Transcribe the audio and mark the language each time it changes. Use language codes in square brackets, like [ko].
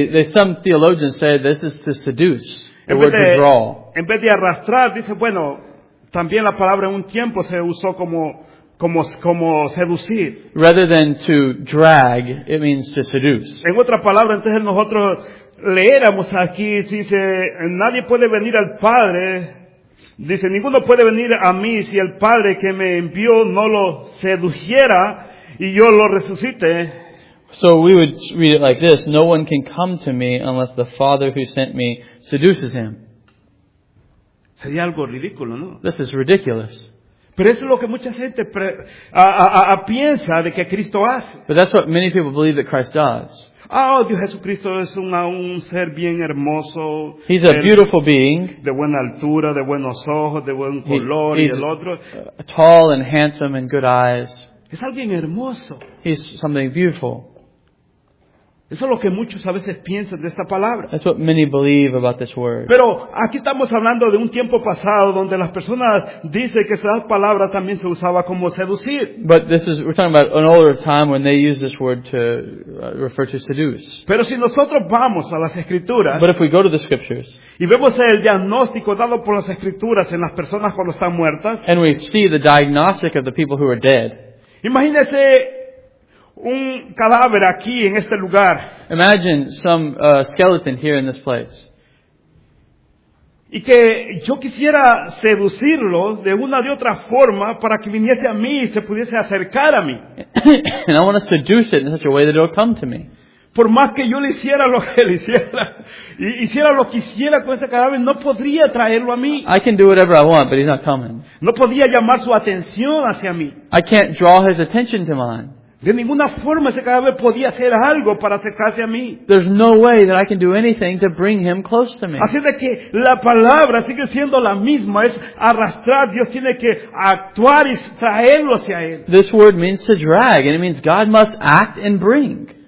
[en] Some theologians say this is to seduce. The en word de, to draw. [es] En vez de arrastrar, dice, bueno, también la palabra en un tiempo se usó como seducir. [en] Rather than to drag, it means to seduce. [es] En otra palabra, entonces nosotros leéramos aquí, dice, nadie puede venir al Padre, dice, ninguno puede venir a mí si el Padre que me envió no lo sedujera y yo lo resucite. [en] So we would read it like this, no one can come to me unless the Father who sent me seduces him. [es] Sería algo ridículo, ¿no? [en] This is ridiculous. [es] Pero eso es lo que mucha gente piensa de que Cristo hace. [en] But that's what many people believe that Christ does. [es] Oh, Dios Jesucristo es un ser bien hermoso. [en] He's a beautiful being. [es] De buena altura, de buenos ojos, de buen color y el otro. [en] He's tall and handsome and good eyes. [es] Es alguien hermoso. [en] He's something beautiful. [es] Eso es lo que muchos a veces piensan de esta palabra. [en] That's what many believe about this word. [es] Pero aquí estamos hablando de un tiempo pasado donde las personas dicen que esa palabra también se usaba como seducir. [en] But we're talking about an older time when they used this word to refer to seduce. [es] Pero si nosotros vamos a las escrituras, [en] but if we go to the scriptures, [es] y vemos el diagnóstico dado por las escrituras en las personas cuando están muertas, [en] and we see the diagnostic of the people who are dead. [es] Imagínese un cadáver aquí en este lugar. [en] Imagine some skeleton here in this place. [es] Y que yo quisiera seducirlo de una de otra forma para que viniese a mí y se pudiese acercar a mí. [en] And I want to seduce it in such a way that it'll come to me. [es] Por más que yo le hiciera lo que le hiciera, hiciera lo que hiciera con ese cadáver, no podría traerlo a mí. [en] I can do whatever I want, but he's not coming. [es] No podía llamar su atención hacia mí. [en] I can't draw his attention to mine. [es] De ninguna forma ese cadáver podía hacer algo para acercarse a mí. [en] There's no way that I can do anything to bring him close to me. [es] Así de que la palabra sigue siendo la misma, es arrastrar. Dios tiene que actuar y traerlo hacia él. [en] This word means to drag, and it means God must act and bring.